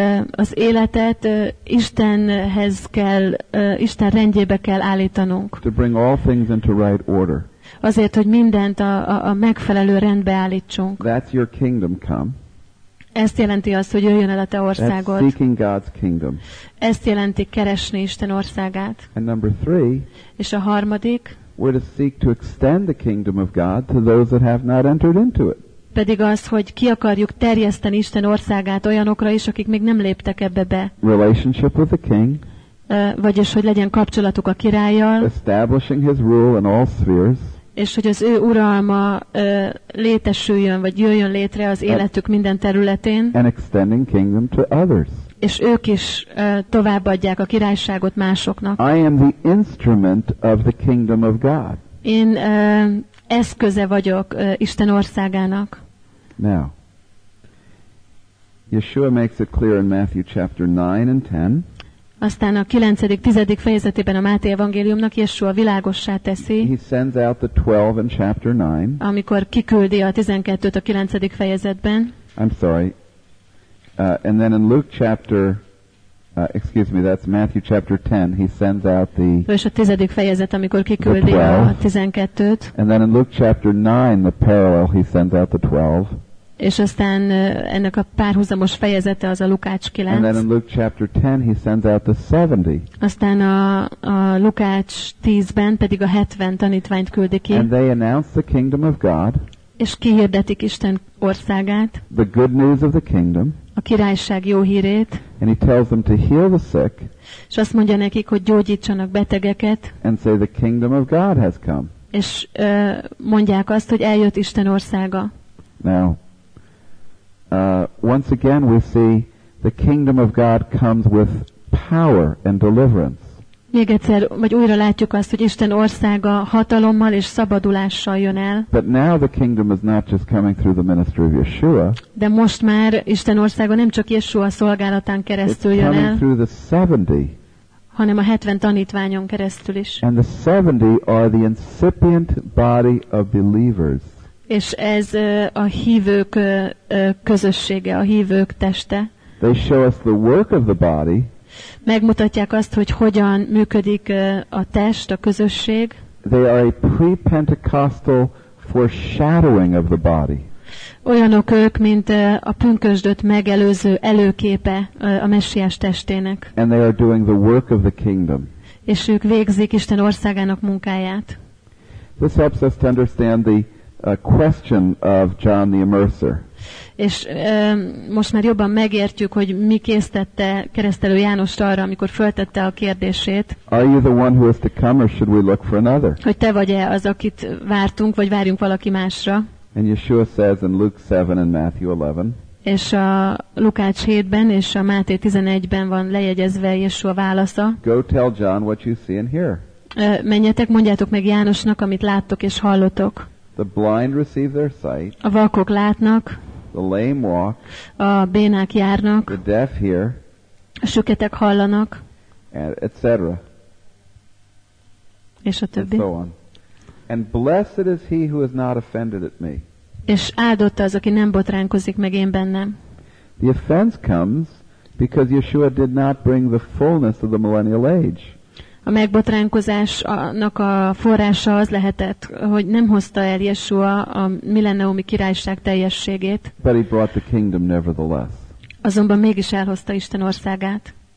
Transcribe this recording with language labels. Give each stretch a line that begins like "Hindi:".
Hungarian: Az életet Istenhez kell, Isten rendjébe kell állítanunk.
English: To bring all things into right order.
Hungarian: Azért, hogy mindent a megfelelő rendbe állítsunk.
English: That's your kingdom come.
Hungarian: Ezt jelenti azt, hogy jöjjön el a te országod.
English: That's seeking God's kingdom.
Hungarian: Ezt jelenti keresni Isten országát.
English: And number three.
Hungarian: És a harmadik.
English: We're to seek to extend the kingdom of God to those that have not entered into it.
Hungarian: Pedig az, hogy ki akarjuk terjeszteni Isten országát olyanokra is, akik még nem léptek ebbe be.
English: Relationship with the king.
Hungarian: Vagyis, hogy legyen kapcsolatuk a királlyal.
English: Establishing his rule in all spheres.
Hungarian: És hogy az ő uralma létesüljön, vagy jöjjön létre az életük minden területén.
English: And extending kingdom to others.
Hungarian: És ők is továbbadják a királyságot másoknak.
English: I am the instrument of the kingdom of God.
Hungarian: Én eszköze vagyok Isten országának.
English: Now, Yeshua makes it clear in Matthew chapter 9 and 10.
Hungarian: Aztán a 9. 10. fejezetében a Máté evangéliumnak Yeshua világossá teszi.
English: He sends out the 12 in chapter 9.
Hungarian: Amikor kiküldi a 12-t a 9. fejezetben.
English: I'm sorry. And then in Luke chapter that's Matthew chapter 10. He sends out the
Hungarian: 10. fejezet, amikor kiküldi a 12-t.
English: And then in Luke chapter 9, the parallel, he sends out the 12.
Hungarian: És aztán ennek a párhuzamos fejezete az a Lukács 9.
English: And then in Luke chapter 10, he sends out the 70.
Hungarian: Aztán a Lukács 10-ben pedig a 70 tanítványt küldi ki.
English: And they announce the kingdom of God.
Hungarian: És kihirdetik Isten országát.
English: The good news of the kingdom.
Hungarian: A királyság jó hírét.
English: And he tells them to heal the sick.
Hungarian: És azt mondja nekik, hogy gyógyítsanak betegeket.
English: And say the kingdom of God has come.
Hungarian: És mondják azt, hogy eljött Isten országa.
English: Now, once again we see the kingdom of God comes with power and deliverance.
Hungarian: Még egyszer, vagy újra látjuk azt, hogy Isten országa hatalommal és szabadulással jön el.
English: But now the kingdom is not just coming through the ministry of Yeshua.
Hungarian: De most már Isten országa nem csak Yeshua szolgálatán keresztül jön el.
English: It's coming through the 70.
Hungarian: Hanem a 70 tanítványon keresztül is.
English: And the 70 are the incipient body of believers.
Hungarian: És ez a hívők közössége, a hívők teste.
English: They show us the work of the body.
Hungarian: Megmutatják azt, hogy hogyan működik a test, a közösség.
English: They are a pre-Pentecostal foreshadowing of the body.
Hungarian: Olyanok ők, mint a pünkösdöt megelőző előképe a messiás testének.
English: And they are doing the work of the kingdom.
Hungarian: És ők végzik Isten országának munkáját.
English: This helps us to understand the question of John the Immerser.
Hungarian: És most már jobban megértjük, hogy mi késztette keresztelő Jánost arra, amikor föltette a kérdését.
English: Are you the one who has to come, or should we look for another?
Hungarian: Hogy te vagy-e az, akit vártunk, vagy várjunk valaki másra?
English: And Yeshua says in Luke 7 and Matthew 11.
Hungarian: És a Lukács 7-ben és a Máté 11-ben van lejegyezve Yeshua válasza.
English: Go tell John what you see and hear.
Hungarian: Menjetek, mondjátok meg Jánosnak, amit láttok és hallotok.
English: The blind receive their sight.
Hungarian: A vakok látnak.
English: The lame walk.
Hungarian: A bénák járnak.
English: The deaf hear.
Hungarian: A süketek hallanak.
English: Etc.
Hungarian: És a többi.
English: And so on. And blessed is he who is not offended at me.
Hungarian: És áldotta az, aki nem botránkozik meg én bennem.
English: The offense comes because Yeshua did not bring the fullness of the millennial age.
Hungarian: A megbotránkozásnak a forrása az lehetett, hogy nem hozta el Yeshua a millenniumi királyság teljességét.
English: But he brought the kingdom nevertheless.
Hungarian: Azonban mégis elhozta Isten országát.